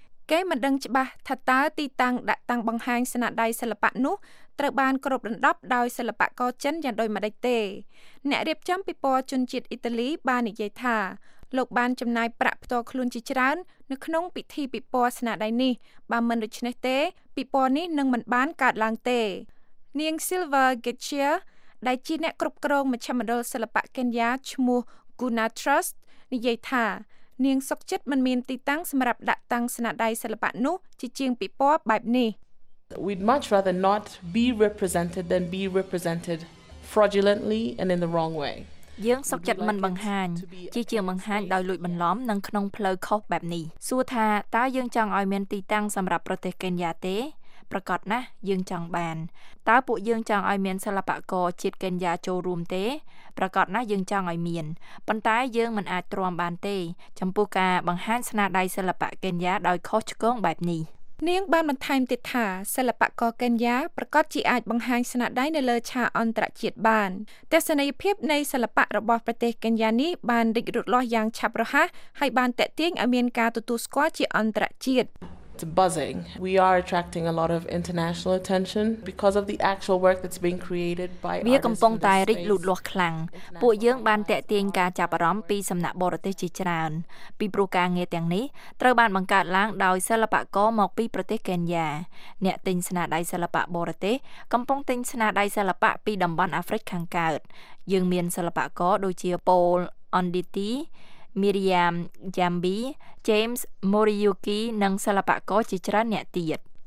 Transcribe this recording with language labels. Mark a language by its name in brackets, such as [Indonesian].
[Khmer] គេមិនដឹងច្បាស់ថាតើទីតាំងដាក់តាំងបង្ហាញស្នាដៃសិល្បៈនោះត្រូវបានគ្របដណ្ដប់ដោយសិល្បករចិនយ៉ាងដូចម្ដេចទេអ្នករៀបចំពិព័រណ៍ជនជាតិអ៊ីតាលីបាននិយាយថាលោកបានចំណាយប្រាក់ផ្ទាល់ខ្លួនជាច្រើននៅក្នុងពិធីពិព័រណ៍ស្នាដៃនេះបើមិនដូច្នេះទេពិព័រណ៍នេះនឹងមិនបានកើតឡើងទេ នាង Silver Getchia ដែលជាអ្នកគ្រប់គ្រងមជ្ឈមណ្ឌលសិល្បៈកេនយ៉ាឈ្មោះ Guna Trust និយាយថានាងសុកចិត្តមិនមានទីតាំងសម្រាប់ដាក់តាំងស្នាដៃសិល្បៈនោះជាជាងពិព័រណ៍បែបនេះ [English] We'd much rather not be represented than be represented fraudulently and in the wrong way [Khmer] យើងសុកចិត្តមិនបង្ហាញជាជាងបង្ហាញដោយលួចបន្លំនឹងក្នុងផ្លូវខុសបែបនេះសួរថាតើយើងចង់ឲ្យមានទីតាំងសម្រាប់ប្រទេសកេនយ៉ាទេប្រកាសណាស់យើងចង់បានតើពួកយើងចង់ឲ្យមានសិល្បករជាតិកេនយ៉ាចូលរួមទេប្រកាសណាស់យើងចង់ឲ្យមានប៉ុន្តែយើងមិនអាចទ្រាំបានទេចំពោះការបង្ហាញស្នាដៃសិល្បៈកេនយ៉ាដោយខុសឆ្គងបែបនេះ នាងបានបន្ថែមទៀតថាសិល្បករកេនយ៉ាប្រកាសជាអាចបង្ហាញស្នាដៃនៅលើឆាកអន្តរជាតិបានទស្សនីយភាពនៃសិល្បៈរបស់ប្រទេសកេនយ៉ានេះបានរីករាលដាលយ៉ាងឆាប់រហ័សហើយបានទាក់ទាញឲ្យមានការទទួលស្គាល់ជាអន្តរជាតិ [English] It's buzzing. We are attracting a lot of international attention because of the actual work that's being created by artists. [Khmer] វាកំពុងតែរីកលូតលាស់ខ្លាំងពួកយើងបានទាក់ទាញការចាប់អារម្មណ៍ពីសំណាក់បរទេសជាច្រើនពីព្រោះការងារទាំងនេះត្រូវបានបង្កើតឡើងដោយសិល្បករមកពីប្រទេសកេនយ៉ាអ្នកទិញស្នាដៃសិល្បៈបរទេសកំពុងទិញស្នាដៃសិល្បៈពីតំបន់អាហ្វ្រិកខាងកើតយើងមានសិល្បករដូចជាប៉ូលអនឌីទីMiriam Jambi, James Moriyuki និងសិល្បករជាច្រើនអ្នកទៀត